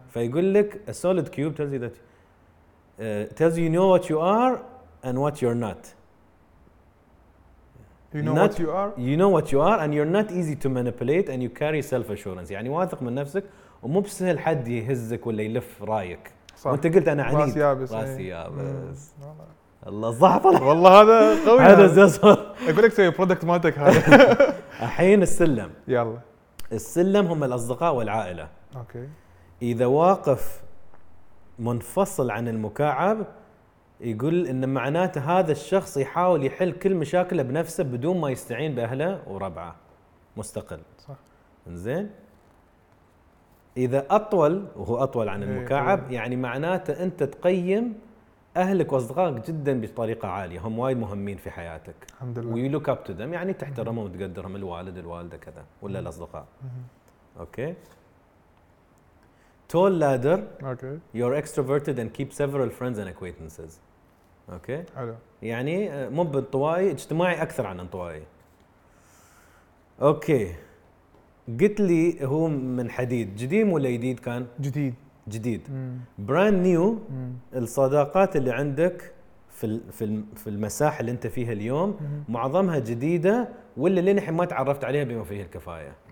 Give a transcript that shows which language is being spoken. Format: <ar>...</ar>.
<ar>فيقول لك</ar> <en>a solid cube tells you that tells you know what you are and what you're not. You know what you are. You know what you are, and you're not easy to manipulate, and you carry self-assurance.</en> <ar>يعني واثق من نفسك ومو بسهل حد يهزك ولا يلف رايك. صح. وأنت قلت أنا عنيد. راسي يابس. راسي يابس. الله ضعفنا. والله هذا قوي. هذا زاسر. أقول لك سوي برودكت مالتك هذا. الحين السلم. يلا. السلم هم الأصدقاء والعائلة. أوكي. إذا واقف منفصل عن المكعب. يقول ان معناته هذا الشخص يحاول يحل كل مشاكله بنفسه بدون ما يستعين باهله وربعه مستقل صح انزين اذا اطول وهو اطول عن المكعب يعني معناته انت تقيم اهلك واصدقائك جدا بطريقه عاليه هم وايد مهمين في حياتك الحمد لله</ar> <en>ويو look up to them</en> <ar>يعني تحترمهم وتقدرهم الوالد الوالده كذا ولا الاصدقاء اوكي</ar> <en>Tall ladder. Okay. You're extroverted and keep several friends and acquaintances. Okay.</en> <ar>حلو. يعني مو بانطوائي اجتماعي أكثر عن انطوائي.</ar> <en>Okay.</en> <ar>قلت لي هو من حديد جديد ولا جديد كان؟ جديد. جديد.</ar> <en>Brand new.</en> <ar>الصداقات اللي عندك في في في المساحة اللي أنت فيها اليوم معظمها جديدة ولا لين الحين ما تعرفت عليها بما فيه الكفاية.</ar>